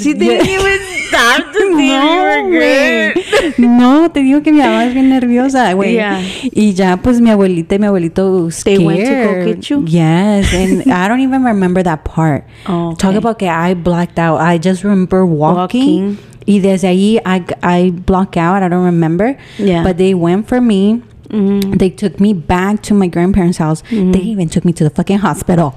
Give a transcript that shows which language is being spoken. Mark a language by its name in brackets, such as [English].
[English] She didn't even stop to see you were good. [Spanish] No, te digo que mi mamá es bien nerviosa, güey. Yeah. Y ya, pues mi abuelita y mi abuelito. [English] They went to go get you? Yes, and I don't even remember that part. Okay. Talk about que I blacked out. I just remember walking. [Spanish] Y desde ahí, [English] I blocked out. I don't remember. Yeah. But they went for me. Mm-hmm. They took me back to my grandparents' house. Mm-hmm. They even took me to the fucking hospital.